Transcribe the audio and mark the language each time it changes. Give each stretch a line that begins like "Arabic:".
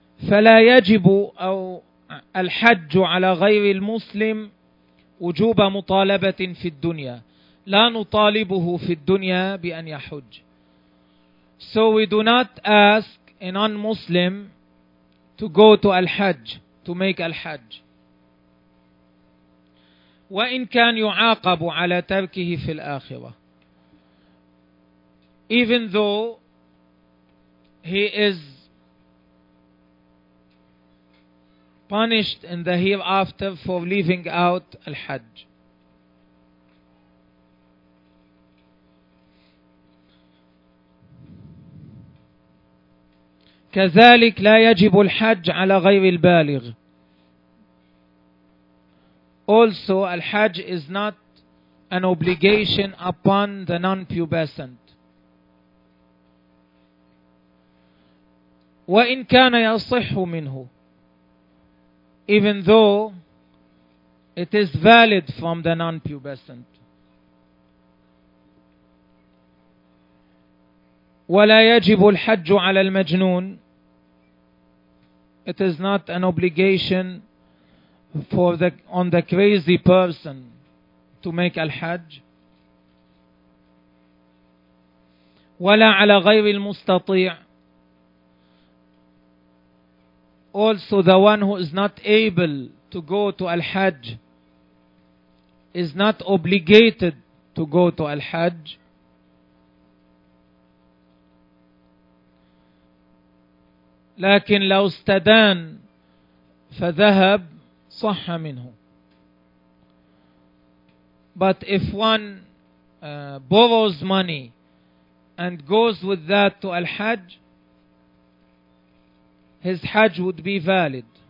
Arabic: فلا يجب أو الحج على غير المسلم وجوب مطالبة في الدنيا. لا نطالبه في الدنيا بأن يحج.
English: So we do not ask a non-Muslim to go to al-hajj, to make al-hajj.
Arabic: وإن كان يعاقب على تركه في الآخرة.
English: Even though he is punished in the hereafter for leaving out al-hajj.
Arabic: كذلك لا يجب الحج على غير البالغ.
English: Also, al-hajj is not an obligation upon the non-pubescent.
Arabic: وإن كان يصح منه.
English: Even though It is valid from the non-pubescent.
Arabic: ولا يجب الحج على المجنون.
English: It is not an obligation for the on the crazy person to make al-hajj.
Arabic: ولا على غير المستطيع.
English: Also the one who is not able to go to al-hajj is not obligated to go to al-hajj.
Arabic: لكن لو استدان فذهب صح منه.
English: But if one borrows money and goes with that to al-hajj, his hajj would be valid.